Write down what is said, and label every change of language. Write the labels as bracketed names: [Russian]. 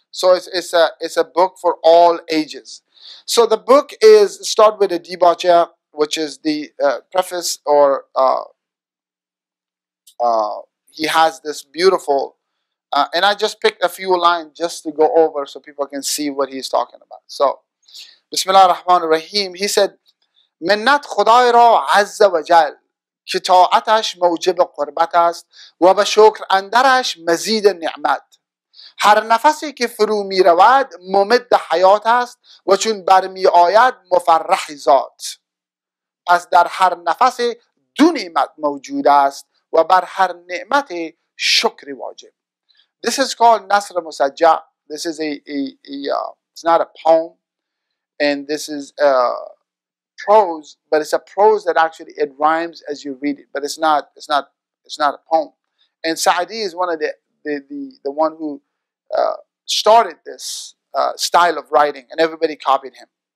[English] So it's a book for all ages. So the book is start with a debacha, which is the preface, or he has this beautiful, and I just picked a few lines just to go over so people can see what he's talking about. So, Bismillah ar-Rahman ar-Rahim, he said, [Persian] منت خدای را عز و جل که طاعتش موجب قربت است و به شکر اندرش مزید نعمت. هر نفسی که فرو می رود ممد حیات است و چون برمی آید مفرح ذات. پس در هر نفس دو نعمت موجود است و بر هر نعمت شکر واجب. [English] This is called نثر مسجع. This is it's not a poem, and this is prose, but it's a prose that actually it rhymes as you read it, but it's not a poem. And Sa'di is one of the one who started this style of writing, and everybody copied him.